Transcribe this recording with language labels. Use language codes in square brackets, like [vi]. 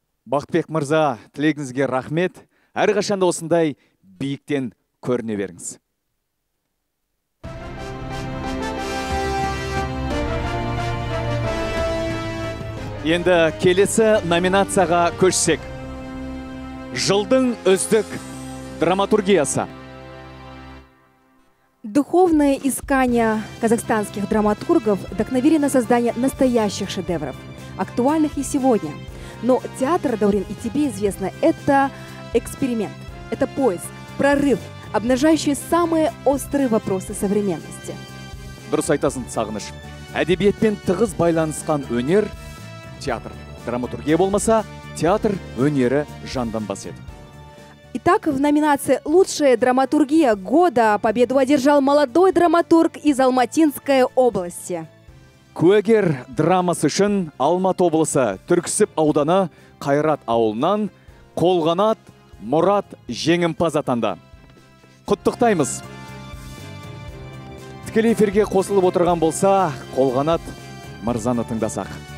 [kk] Бақытбек мырза, тілегіңізге рахмет. Әрқашан да осындай биіктен көріне беріңіз. Енді келесі номинацияға көшсек. Жылдың үздік драматургиясы. [ru] Духовные искания казахстанских драматургов вдохновили на создание настоящих шедевров, актуальных и сегодня. Но театр, Даурен, и тебе известно, это эксперимент, это поиск, прорыв, обнажающий самые острые вопросы современности. [kk] Дұрыс айтасын, Сағыныш. Әдебиетпен тығыз байланысқан өнер – театр. Драматургия болмаса, театр өнері жандан басады. [ru] Итак, в номинации «Лучшая драматургия года» победу одержал молодой драматург из Алматинской области. [kk] Куэгер драмасы үшін Алмат облысы Түрксіп ауданы Қайрат ауылынан Қолғанат Мұрат жеңімпаз атанды. Құттықтаймыз! Тікелей эфирге қосылып отырған болса, Қолғанат мырзаны тыңдасақ.